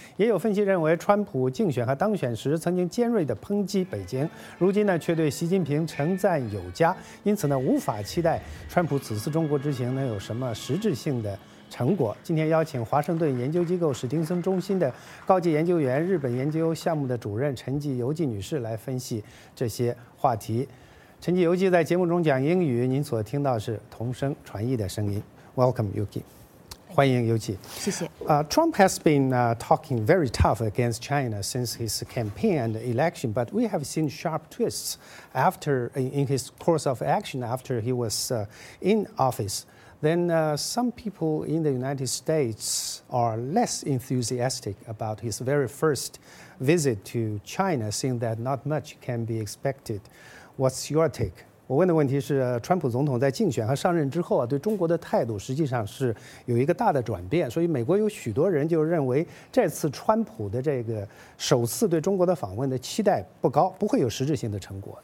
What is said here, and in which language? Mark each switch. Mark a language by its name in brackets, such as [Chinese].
[Chinese] 也有分析认为，川普竞选和当选时曾经尖锐地抨击北京，如今呢却对习近平称赞有加，因此呢无法期待川普此次中国之行能有什么实质性的成果。今天邀请华盛顿研究机构史汀森中心的高级研究员、日本研究项目的主任陈吉游纪女士来分析这些话题。陈吉游纪在节目中讲英语，您所听到是同声传译的声音。 [English] Welcome, Yuki. [Chinese] 欢迎游纪。谢谢。 [English] Trump has been talking very tough against China since his campaign and election, but we have seen sharp twists after in his course of action after he was in office. Then some people in the United States are less enthusiastic about his very first visit to China, seeing that not much can be expected. What's your take? [Chinese] 我问的问题是，川普总统在竞选和上任之后啊，对中国的态度实际上是有一个大的转变。所以美国有许多人就认为，这次川普的这个首次对中国的访问的期待不高，不会有实质性的成果。